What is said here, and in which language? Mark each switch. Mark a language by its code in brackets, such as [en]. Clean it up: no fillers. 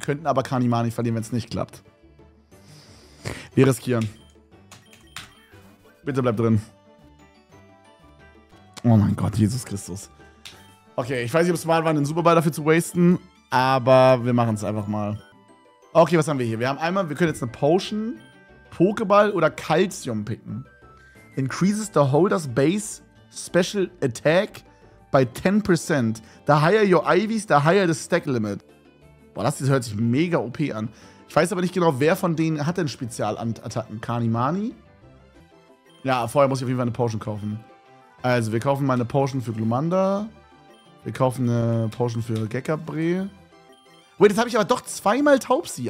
[de] Könnten aber Kanimani verlieren, wenn es nicht klappt. Wir riskieren. Bitte bleib drin. Oh mein Gott, Jesus Christus. Okay, ich weiß nicht, ob es smart war, einen Superball dafür zu wasten, aber wir machen es einfach mal. Okay, was haben wir hier? Wir haben einmal, wir können jetzt eine Potion, Pokéball oder Calcium picken. [en] Increases the holder's base special attack by 10%. The higher your IVs, the higher the stack limit. [de] Boah, das hört sich mega OP an. Ich weiß aber nicht genau, wer von denen hat denn Spezialattacken? Kanimani? Ja, vorher muss ich auf jeden Fall eine Potion kaufen. Also, wir kaufen mal eine Potion für Glumanda. Wir kaufen eine Potion für Gekkabre. Wait, jetzt habe ich aber doch zweimal Taubsi.